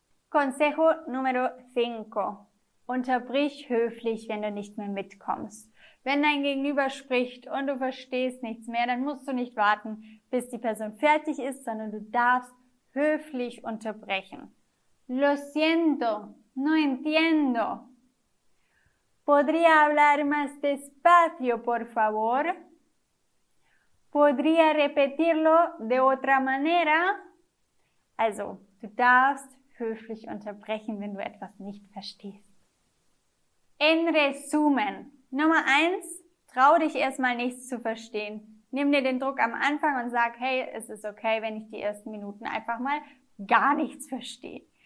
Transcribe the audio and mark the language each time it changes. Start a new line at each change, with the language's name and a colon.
Spanish: Consejo número cinco.
German: Unterbrich höflich, wenn du nicht mehr mitkommst. Wenn dein Gegenüber spricht und du verstehst nichts mehr, dann musst du nicht warten, bis die Person fertig ist, sondern du darfst höflich unterbrechen.
Spanish: Lo siento, no entiendo. ¿Podría hablar más despacio, por favor? ¿Podría repetirlo de otra manera?
German: Also, du darfst höflich unterbrechen, wenn du etwas nicht verstehst.
Spanish: En resumen,
German: Nummer eins, trau dich erstmal nichts zu verstehen. Nimm dir den Druck am Anfang und sag, hey, es ist okay, wenn ich die ersten Minuten einfach mal gar nichts verstehe.